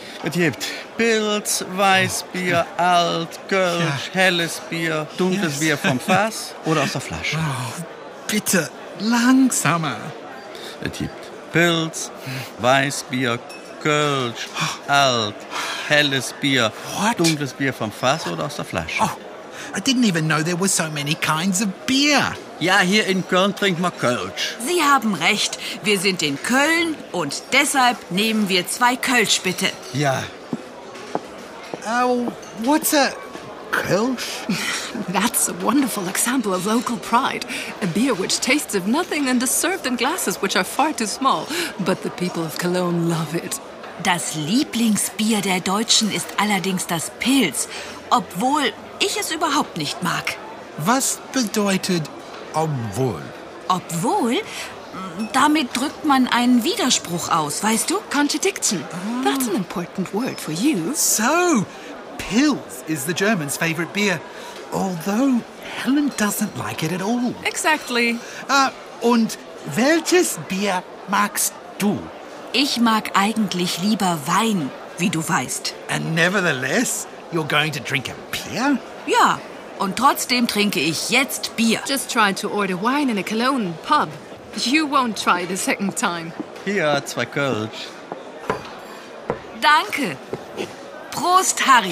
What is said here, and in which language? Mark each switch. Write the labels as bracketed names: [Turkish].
[German] Es gibt Pilz, Weißbier, Alt, Kölsch, helles Bier, dunkles Bier vom Fass oder aus der Flasche. Oh, bitte langsamer. Es gibt Pilz, Weißbier, Kölsch, Alt, helles Bier, dunkles Bier vom Fass oder aus der Flasche. [English] Oh, I didn't even know there were so many kinds of beer. [German] Ja, hier in Köln trinkt man Kölsch. Sie haben recht. Wir sind in Köln und deshalb nehmen wir 2 Kölsch, bitte. [English] Ja. Oh, what's a Kölsch? That's a wonderful example of local pride. A beer which tastes of nothing and is served in glasses which are far too small. But the people of Cologne love it. [German] Das Lieblingsbier der Deutschen ist allerdings das Pilz. Obwohl ich es überhaupt nicht mag. Was bedeutet obwohl? Obwohl? Damit drückt man einen Widerspruch aus, weißt du? [English] Contradiction. Oh. That's an important word for you. So, Pils is the German's favorite beer. Although Helen doesn't like it at all. Exactly. [German] Und welches Bier magst du? Ich mag eigentlich lieber Wein, wie du weißt. [English] And nevertheless, you're going to drink a beer? [German] Ja. Und trotzdem trinke ich jetzt Bier. [English] Just try to order wine in a Cologne pub. You won't try the second time. [German] Hier, 2 Kölsch. Danke. Prost, Harry.